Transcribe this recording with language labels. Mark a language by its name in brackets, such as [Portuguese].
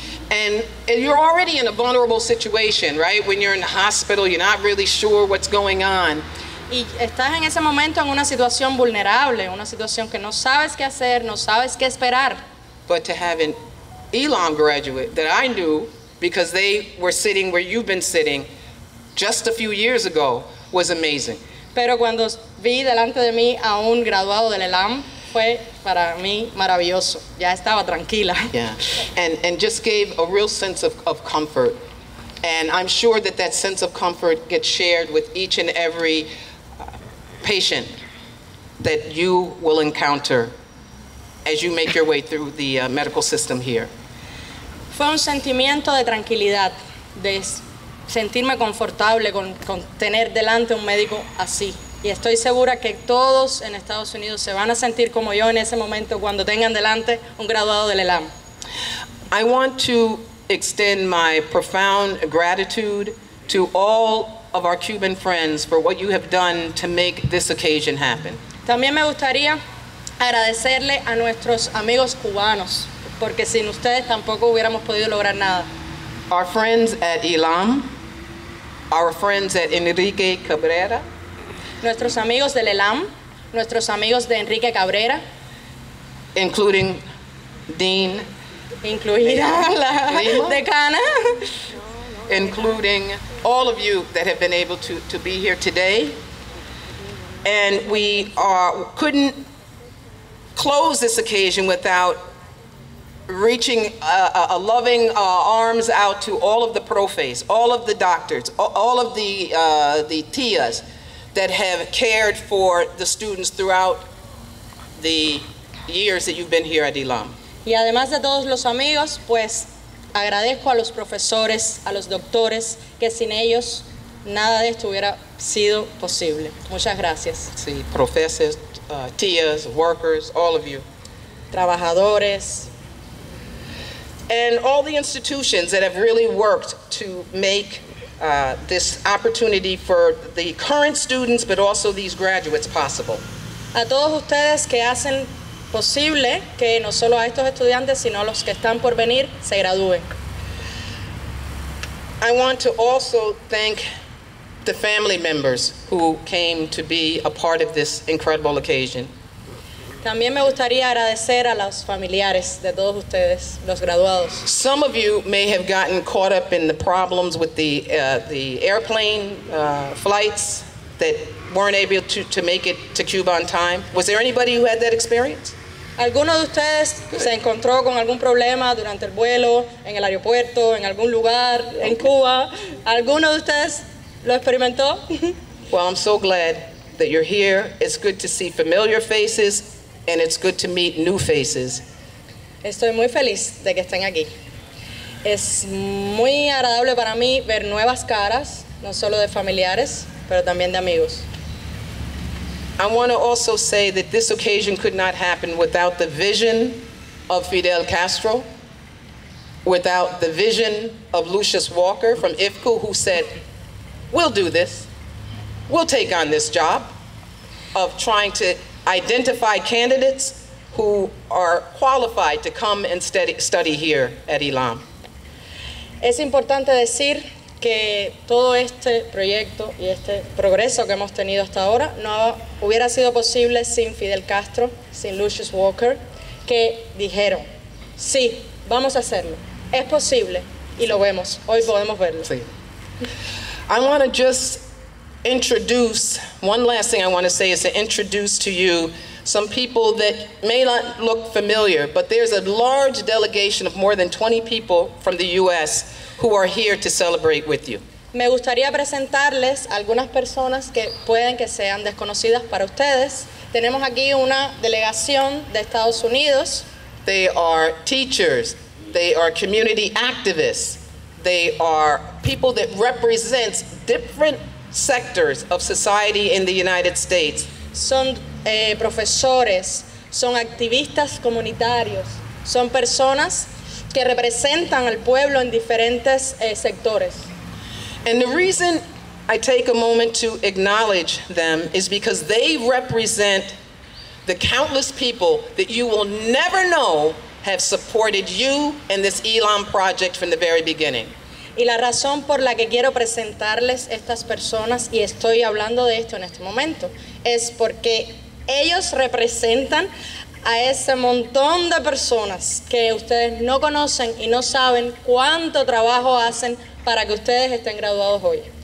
[English] And you're already in a vulnerable situation, right? When you're in the hospital, you're not really sure what's going on. [Spanish] Y estás en ese momento en una situación vulnerable, una situación que no sabes qué hacer, no sabes qué esperar. [English] But to have an ELAM graduate that I knew, because they were sitting where you've been sitting just a few years ago, was amazing. [Spanish] Pero cuando vi delante de mí a un graduado del ELAM, fue para mí maravilloso. Ya estaba tranquila. [English] Yeah. And just gave a real sense of comfort. And I'm sure that that sense of comfort gets shared with each and every patient that you will encounter as you make your way through the medical system here. [Spanish] Fue un sentimiento de tranquilidad, de sentirme confortable con tener delante un médico así. Y estoy segura que todos en Estados Unidos se van a sentir como yo en ese momento cuando tengan delante un graduado del ELAM. [English] I want to extend my profound gratitude to all of our Cuban friends for what you have done to make this occasion happen. [Spanish] También me gustaría agradecerle a nuestros amigos cubanos, porque sin ustedes tampoco hubiéramos podido lograr nada. [English] Our friends at ELAM, our friends at Enrique Cabrera. [Spanish] Nuestros amigos del ELAM, nuestros amigos de Enrique Cabrera. [English] Including Dean. [Spanish] Incluida la decana. [English] Including all of you that have been able to be here today. And we couldn't close this occasion without reaching a loving arms out to all of the profes, all of the doctors, all of the tías that have cared for the students throughout the years that you've been here at ELAM. [Spanish] Y además de todos los amigos, pues agradezco a los profesores, a los doctores, que sin ellos nada de esto hubiera sido posible. Muchas gracias. Sí, profesores, tías, [English] workers, all of you. [Spanish] Trabajadores. [English] And all the institutions that have really worked to make this opportunity for the current students, but also these graduates, possible. [Spanish] A todos ustedes que hacen posible que no solo a estos estudiantes, sino a los que están por venir, se gradúen. [English] I want to also thank the family members who came to be a part of this incredible occasion. [Spanish] También me gustaría agradecer a los familiares de todos ustedes, los graduados. [English] Some of you may have gotten caught up in the problems with the airplane flights that weren't able to make it to Cuba on time. Was there anybody who had that experience? [Spanish] ¿Alguno de ustedes se encontró con algún problema durante el vuelo, en el aeropuerto, en algún lugar en Cuba? ¿Alguno de ustedes lo experimentó? [English] Well, I'm so glad that you're here. It's good to see familiar faces. And it's good to meet new faces. [Spanish] Estoy muy feliz de que estén aquí. Es muy agradable para mí ver nuevas caras, no solo de familiares, pero también de amigos. [English] I want to also say that this occasion could not happen without the vision of Fidel Castro, without the vision of Lucius Walker from IFCU, who said, we'll do this. We'll take on this job of trying to identify candidates who are qualified to come and study here at ELAM. [Spanish] Es importante decir que todo este proyecto y este progreso que hemos tenido hasta ahora no hubiera sido posible sin Fidel Castro, sin Lucius Walker, que dijeron, sí, vamos a hacerlo, es posible, y lo vemos, hoy podemos verlo. Sí. [English] I want to just introduce, one last thing I want to say is to introduce to you some people that may not look familiar, but there's a large delegation of more than 20 people from the U.S. who are here to celebrate with you. [Spanish] Me gustaría presentarles algunas personas que pueden que sean desconocidas para ustedes. Tenemos aquí una delegación de Estados Unidos. [English] They are teachers. They are community activists. They are people that represent different sectors of society in the United States. [Spanish] Son profesores, son activistas comunitarios, son personas que representan al pueblo en diferentes sectores. [English] And the reason I take a moment to acknowledge them is because they represent the countless people that you will never know have supported you and this ELAM project from the very beginning. [Spanish] Y la razón por la que quiero presentarles estas personas, y estoy hablando de esto en este momento, es porque ellos representan a ese montón de personas que ustedes no conocen y no saben cuánto trabajo hacen para que ustedes estén graduados hoy.